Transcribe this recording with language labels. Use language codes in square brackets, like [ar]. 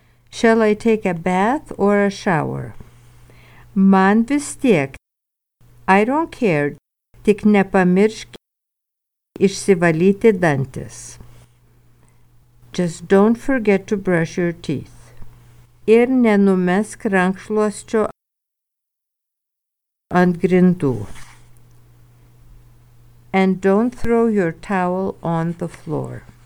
[en] Shall I take a bath or a shower? [lt] Man vis tiek. [en] I don't care. [lt] Tik nepamiršk išsivalyti dantis. [en] Just don't forget to brush your teeth. [lt] Ir nenumesk rankšluosčio ant grindų. [en] And don't throw your towel on the floor.